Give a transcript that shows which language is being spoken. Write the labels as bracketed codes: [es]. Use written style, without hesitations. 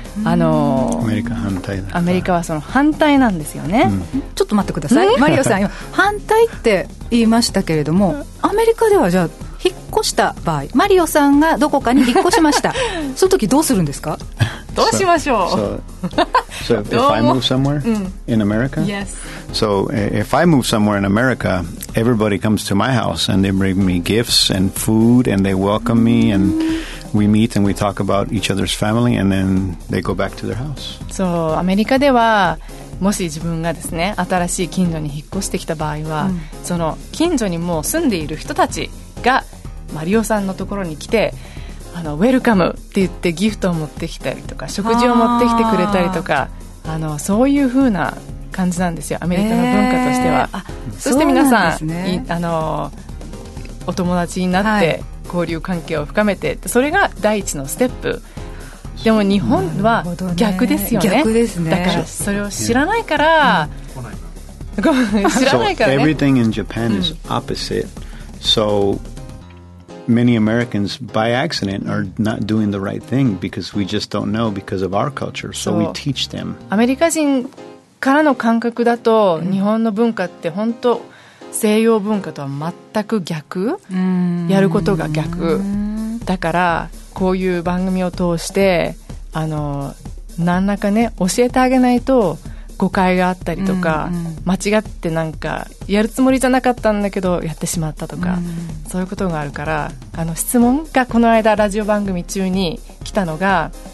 [ja] アメリカ反対だ。アメリカはその反対なんですよね、うん、ちょっと待ってください。マリオさん今反対って言いましたけれども、アメリカではじゃあ引っ越した場合、マリオさんがどこかに引っ越しましたその時どうするんですか。どうしましょう。 [en] So if I move somewhere、うん、in America? Yes. So if I move somewhere in America, everybody comes to my house and they bring me gifts and food and they welcome、mm-hmm. me and we meet and we talk about each other's family and then they go back to their house. [ja] So アメリカではもし自分がですね、新しい近所に引っ越してきた場合は、うん、その近所にもう住んでいる人たちがマリオさんのところに来て、ウェルカムって言ってギフトを持ってきたりとか、食事を持ってきてくれたりとか、そういう風な感じなんですよ、アメリカの文化としては、そして皆さん、ね、お友達になって交流関係を深めて、はい、それが第一のステップ。でも日本は逆ですよ ね、逆ですね。だからそれを知らないから、うん、知らないからね。 [en] So everything in Japan is opposite、うん、So many Americans by accident are not doing the right thing because we just don't know because of our culture. So we teach them. [ja] アメリカ人からの感覚だと、日本の文化って本当西洋文化とは全く逆、やることが逆だから、こういう番組を通して何らかね、教えてあげないと誤解があったりとか、うんうん、間違ってなんかやるつもりじゃなかったんだけどやってしまったとか、うんうん、そういうことがあるから、質問がこの間ラジオ番組中に来たのが、